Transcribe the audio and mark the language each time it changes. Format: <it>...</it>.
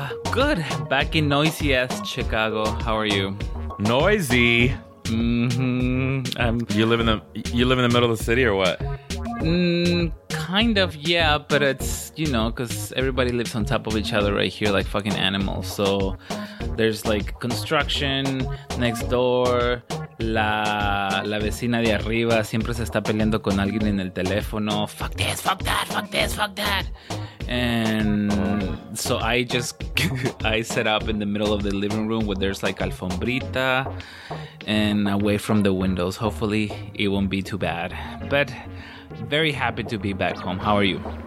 <en>Good. Back in noisy ass Chicago. How are you? Noisy. Mm-hmm. You live in the middle of the city or what? Kind of, yeah, but it's, you know, because everybody lives on top of each other right here like fucking animals. So there's like construction next door.</en> <es>La vecina de arriba siempre se está peleando con alguien en el teléfono.</es> <en>Fuck this, fuck that, fuck this, fuck that. And so I set up in the middle of the living room where there's like alfombrita and away from the windows. Hopefully it won't be too bad. But very happy to be back home. How are you?</en>